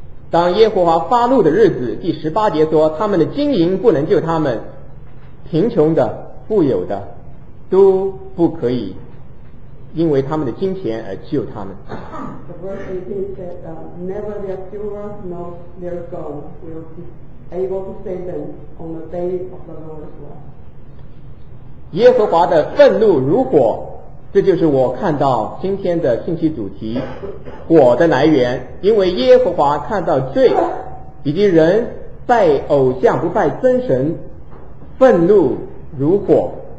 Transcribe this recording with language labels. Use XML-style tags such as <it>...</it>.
<zh>当耶和华发怒的日子，第十八节说，他们的金银不能救他们，贫穷的、富有的，都不可以因为他们的金钱而救他们。</zh> <en>The verse 18 said, never their silver nor their gold will be able to save them on the day of the Lord's wrath.</en> <zh>耶和华的愤怒如火，这就是我看到今天的信息主题，火的来源。因为耶和华看到罪以及人拜偶像不拜真神，愤怒如火。</zh>